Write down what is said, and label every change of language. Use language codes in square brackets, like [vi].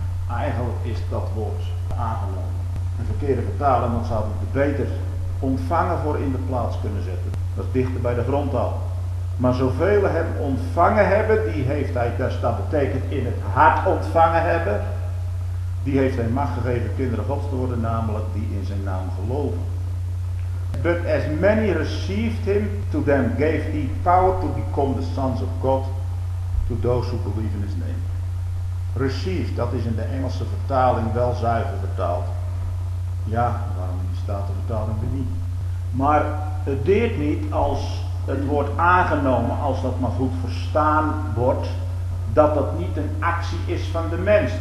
[nl] Eigenlijk is dat woord aangenomen. Een verkeerde vertaling, dan zou het beter ontvangen voor in de plaats kunnen zetten. Dat is dichter bij de grondtaal. Maar zoveel hem ontvangen hebben, die heeft hij, dus dat betekent in het hart ontvangen hebben, die heeft hij macht gegeven kinderen Gods te worden, namelijk die in zijn naam geloven. [en] But as many received him, to them gave he power to become the sons of God, to those who believe in his name. [nl] Receive, dat is in de Engelse vertaling wel zuiver vertaald. Ja, waarom staat de vertaling er niet? Maar het deert niet als het woord aangenomen, als dat maar goed verstaan wordt, dat dat niet een actie is van de mens.